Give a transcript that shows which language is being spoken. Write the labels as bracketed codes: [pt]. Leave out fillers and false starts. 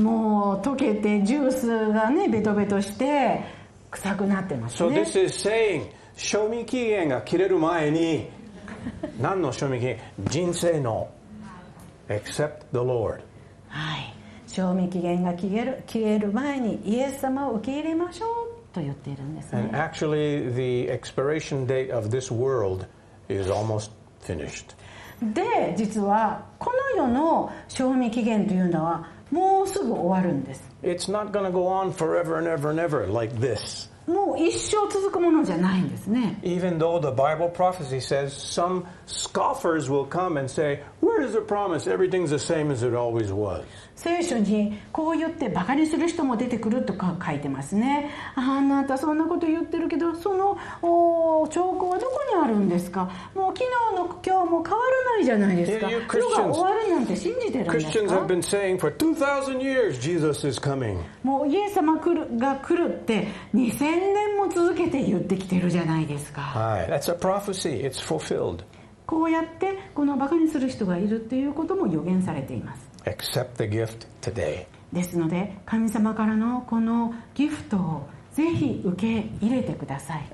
[ja] もう溶けて、ジュースがね、ベトベトして、臭くなってますね。 [en] So this is saying, [ja] 賞味期限が切れる前に、何の賞味期限？人生の。 [en] Accept the Lord. [ja] はい、賞味期限が消える前にイエス様を受け入れましょうと言っているんですね。 [en] And actually, the expiration date of this world is almost finished. [ja] で、実はこの世の賞味期限というのはもうすぐ終わるんです。 [en] It's not going to go on forever and ever and ever like this. [ja] もう一生続くものじゃないんですね。 [en] Even though the Bible prophecy says some scoffers will come and say. Where is the promise? Everything's the same as it always was. [ja] 聖書にこう言ってバカにする人も出てくるとか書いてますね。あなたそんなこと言ってるけど、その兆候はどこにあるんですか。もう昨日の今日も変わらないじゃないですか。今日が終わるなんて信じてるんですか。 [en] Christians have been saying for 2,000 years Jesus is coming. [ja] もうイエス様が来るって2000年も続けて言ってきてるじゃないですか。 [en] はい、That's a prophecy. It's fulfilled. [ja] こうやってこのバカにする人がいるっていうことも予言されています。 [en] Accept the gift today. [ja] ですので神様からのこのギフトをぜひ受け入れてください。